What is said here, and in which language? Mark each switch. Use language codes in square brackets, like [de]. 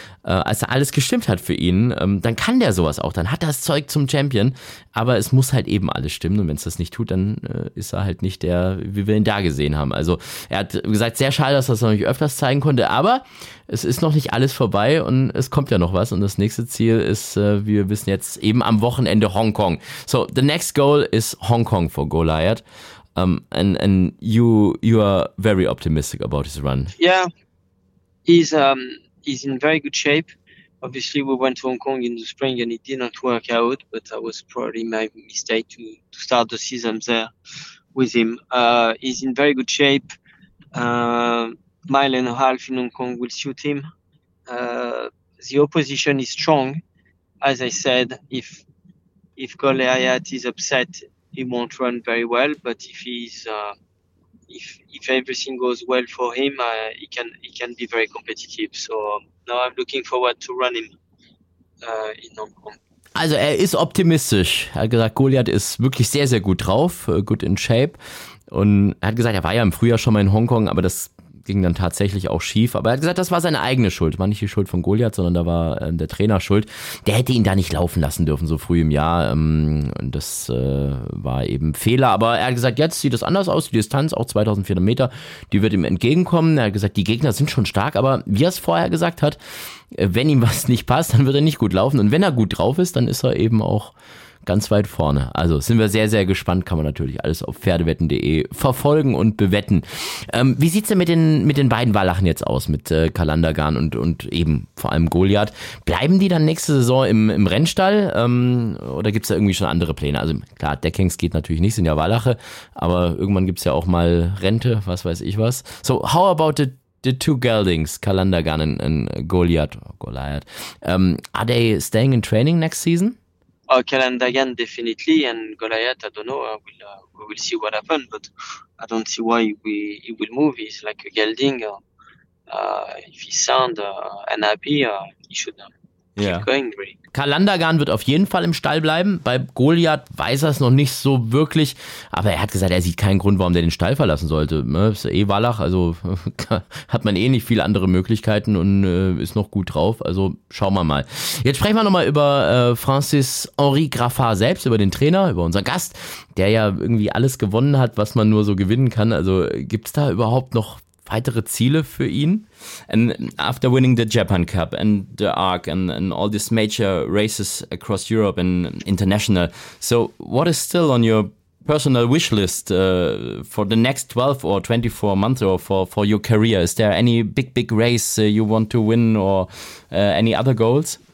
[de] Als er alles gestimmt hat für ihn, dann kann der sowas auch, dann hat er das Zeug zum Champion, aber es muss halt eben alles stimmen und wenn es das nicht tut, dann ist er halt nicht der, wie wir ihn da gesehen haben. Also er hat gesagt, sehr schade, dass er es noch nicht öfters zeigen konnte, aber es ist noch nicht alles vorbei und es kommt ja noch was und das nächste Ziel ist, wie wir wissen jetzt, eben am Wochenende Hongkong. [en] So, the next goal is Hongkong for Goliath, and you are very optimistic about his run. Yeah, he's in very good shape. Obviously, we went to Hong Kong in the spring and it didn't work out, but that was probably my mistake to start the season there with him. He's in very good shape. Mile and a half in Hong Kong will suit him. The opposition is strong. As I said, if Goliath is upset, he won't run very well, but if he's if everything goes well for him, he can be very competitive. So now I'm looking forward to running in Hong Kong. [de] Also er ist optimistisch. Er hat gesagt, Goliath ist wirklich sehr, sehr gut drauf, [en] good in shape. [de] Und er hat gesagt, er war ja im Frühjahr schon mal in Hongkong, aber das ging dann tatsächlich auch schief. Aber er hat gesagt, das war seine eigene Schuld. War nicht die Schuld von Goliath, sondern da war der Trainer schuld. Der hätte ihn da nicht laufen lassen dürfen, so früh im Jahr. Und das war eben Fehler. Aber er hat gesagt, jetzt sieht es anders aus. Die Distanz, auch 2400 Meter, die wird ihm entgegenkommen. Er hat gesagt, die Gegner sind schon stark. Aber wie er es vorher gesagt hat, wenn ihm was nicht passt, dann wird er nicht gut laufen. Und wenn er gut drauf ist, dann ist er eben auch ganz weit vorne. Also sind wir sehr, sehr gespannt. Kann man natürlich alles auf pferdewetten.de verfolgen und bewetten. Wie sieht's denn mit den beiden Wallachen jetzt aus? Mit Kalandagan und eben vor allem Goliath. Bleiben die dann nächste Saison im Rennstall? Oder gibt's da irgendwie schon andere Pläne? Also klar, Deckhengst geht natürlich nicht, sind ja Wallache. Aber irgendwann gibt's ja auch mal Rente, was weiß ich was. [en] So, how about the two geldings, Kalandagan and Goliath? Oh, Goliath. Are they staying in training next season? Oh, Kalandagan definitely, and Goliath, I don't know, we will see what happens, but I don't see why he will move. He's like a gelding. If he's sound and happy, he should keep going, really. [de] Kalandagan wird auf jeden Fall im Stall bleiben. Bei Goliath weiß er es noch nicht so wirklich, aber er hat gesagt, er sieht keinen Grund, warum der den Stall verlassen sollte. Ist eh Wallach, also hat man eh nicht viele andere Möglichkeiten und ist noch gut drauf, also schauen wir mal. Jetzt sprechen wir nochmal über Francis-Henri Graffard selbst, über den Trainer, über unseren Gast, der ja irgendwie alles gewonnen hat, was man nur so gewinnen kann. Also gibt's da überhaupt noch weitere Ziele für ihn? [en] And after winning the Japan Cup and the ARC and all these major races across Europe and international, so what is still on your personal wish list for the next 12 or 24 months or for your career? Is there any big race you want to win or any other goals?